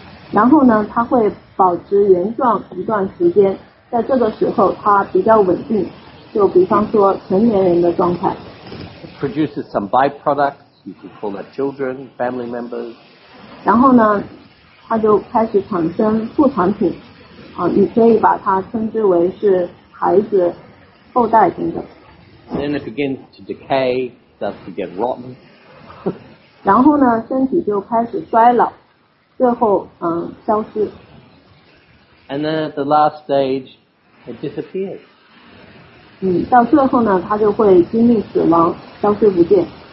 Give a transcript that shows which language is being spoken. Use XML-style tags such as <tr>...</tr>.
<zh>然后呢它会保持原状一段时间，在这个时候它比较稳定，就比方说成年人的状态。</zh> <en>Produces some byproducts, you could call that children, family members.</en> <zh>然后呢，它就开始产生副产品，你可以把它称之为是孩子、后代等等。</zh> <en>Then it begins to decay, starts to get rotten.</en> <zh>然后呢身体就开始衰老最后消失</zh> <en>And then at the last stage it disappears</en> <zh>到最后呢他就会经历死亡消失不见</zh>